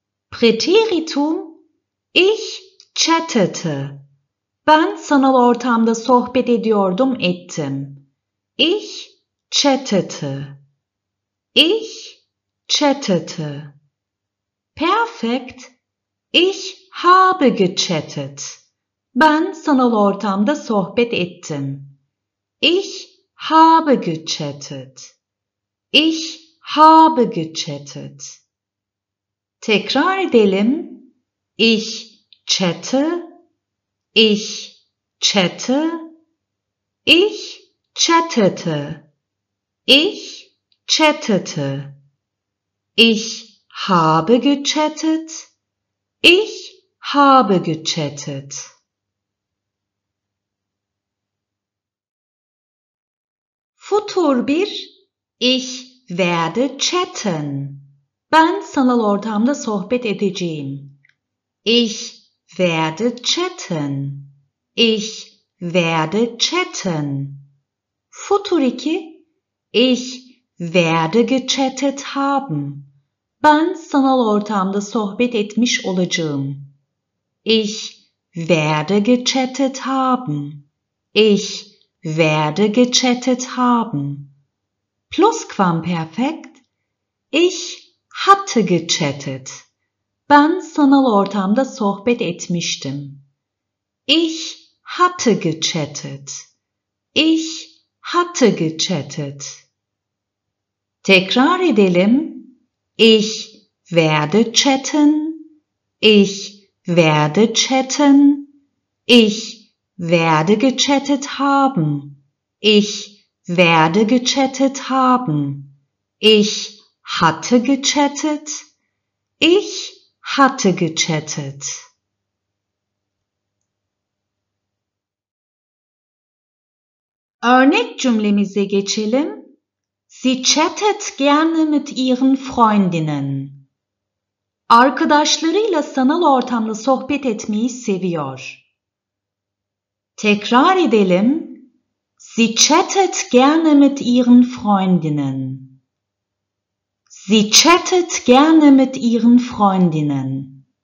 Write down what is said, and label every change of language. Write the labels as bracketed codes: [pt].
[de] Präteritum, ich chattete. [tr] Ben sanal ortamda sohbet ediyordum, ettim. [de] Ich chattete. Ich chattete. Perfekt, ich habe gechattet. [tr] Ben sanal ortamda sohbet ettim. [de] Ich habe gechattet. Ich habe gechattet. [tr] Tekrar edelim. [de] Ich chatte. Ich chatte. Ich chattete. Ich chattete. Ich habe gechattet. Ich habe gechattet. Futur 1, ich werde chatten. [tr] Ben sanal ortamda sohbet edeceğim. [de] Ich werde chatten. Ich werde chatten. Futur 2, ich werde gechattet haben. [tr] Ben sanal ortamda sohbet etmiş olacağım. [de] Ich werde gechattet haben. Ich werde gechattet haben. Plusquamperfekt. Ich hatte gechattet. [tr] Ben sanal ortamda sohbet etmiştim. [de] Ich hatte gechattet. Ich hatte gechattet. [tr] Tekrar edelim. [de] Ich werde chatten. Ich werde chatten. Ich werde gechattet haben. Ich werde gechattet haben. Ich hatte gechattet. Ich hatte gechattet. [tr] Örnek cümlemize geçelim. [de] Sie chattet gerne mit ihren Freundinnen. [tr] Arkadaşlarıyla sanal ortamda sohbet etmeyi seviyor. Tekrar edelim. [de] Sie chattet gerne mit ihren Freundinnen. Sie chattet gerne mit ihren Freundinnen.